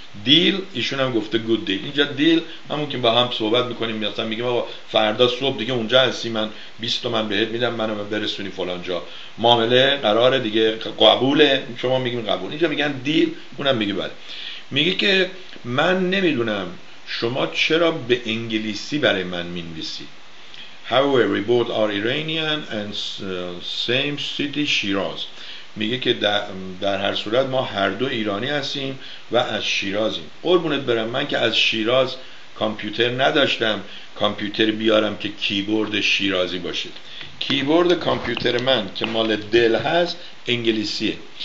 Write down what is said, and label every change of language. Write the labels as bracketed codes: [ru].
[fa] دیل ایشون هم گفته [en] Good deal. [fa] اینجا دیل همون که با هم صحبت میکنیم، مثلا میگیم آقا فردا صبح دیگه اونجا هستی، من 20 تومن بهت میدم منو برسونی فلان جا، معامله قراره دیگه، قبوله؟ شما میگیم قبول. اینجا میگن دیل، اونم میگه بله. میگه که من نمیدونم شما چرا به انگلیسی برای من مینویسید. [en] However, we both are Iranian and same city, Shiraz. [fa] میگه که در هر صورت ما هر دو ایرانی هستیم و از شیرازیم. قربونت برم، من که از شیراز کامپیوتر نداشتم، کامپیوتر بیارم که کیبورد شیرازی باشه. کیبورد کامپیوتر من که مال دل هست انگلیسیه.